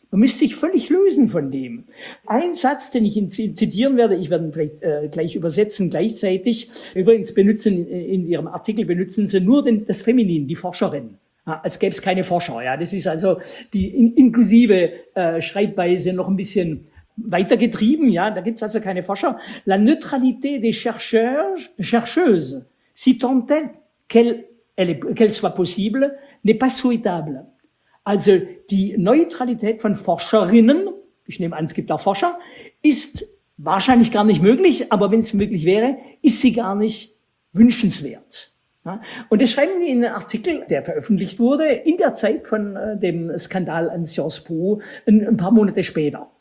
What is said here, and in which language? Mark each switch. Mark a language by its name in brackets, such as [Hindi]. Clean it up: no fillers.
[German] Man müsste sich völlig lösen von dem. Ein Satz, den ich zitieren werde, ich werde ihn vielleicht gleich übersetzen gleichzeitig. Übrigens benutzen in Ihrem Artikel benutzen Sie nur das Feminin, die Forscherin. Als gäbe es keine Forscher. Ja, das ist also die inklusive Schreibweise noch ein bisschen weitergetrieben. Ja, da gibt es also keine Forscher. [French] La neutralité des chercheuses, si tant est qu'elle soit possible, n'est pas souhaitable. [German] Also die Neutralität von Forscherinnen, ich nehme an, es gibt auch Forscher, ist wahrscheinlich gar nicht möglich, aber wenn es möglich wäre, ist sie gar nicht wünschenswert. Ja? Und das schreiben die in einem Artikel, der veröffentlicht wurde, in der Zeit von dem Skandal an Sciences Po, ein paar Monate später.